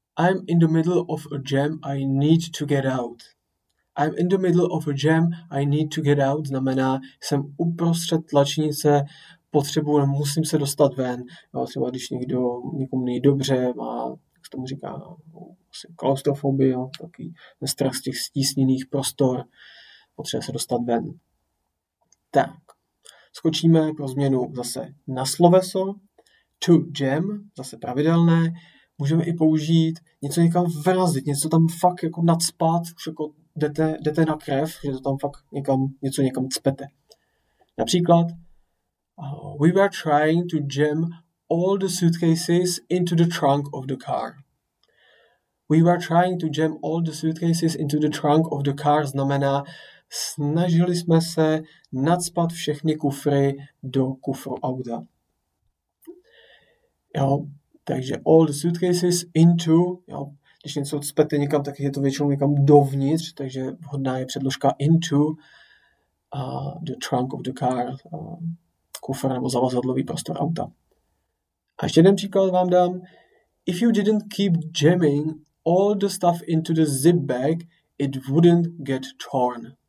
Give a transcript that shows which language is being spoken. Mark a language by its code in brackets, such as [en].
[en] I'm in the middle of a jam, I need to get out. I'm in the middle of a jam, I need to get out [cs] znamená, jsem uprostřed tlačenice, potřebuji, musím se dostat ven. Jo, třeba když někdo někomu není dobře, má, jak se tomu říká, klaustrofobii, takový strach z těch stísněných prostor, potřebuje se dostat ven. Tak, skočíme pro změnu zase na sloveso. To jam, zase pravidelné. Můžeme i použít něco někam vrazit, něco tam fakt jako nadspat, už jako jdete na krev, že to tam fakt někam, něco někam cpete. [en] Například, we were trying to jam all the suitcases into the trunk of the car. We were trying to jam all the suitcases into the trunk of the car [cs] znamená, snažili jsme se nacpat všechny kufry do kufru auta. Jo, takže [en] all the suitcases into, [cs] jo, když něco cpete někam, tak je to většinou někam dovnitř, takže vhodná je předložka [en] into the trunk of the car. [cs] Kufr nebo zavazadlový prostor auta. A ještě jeden příklad vám dám. [en] If you didn't keep jamming all the stuff into the zip bag, it wouldn't get torn.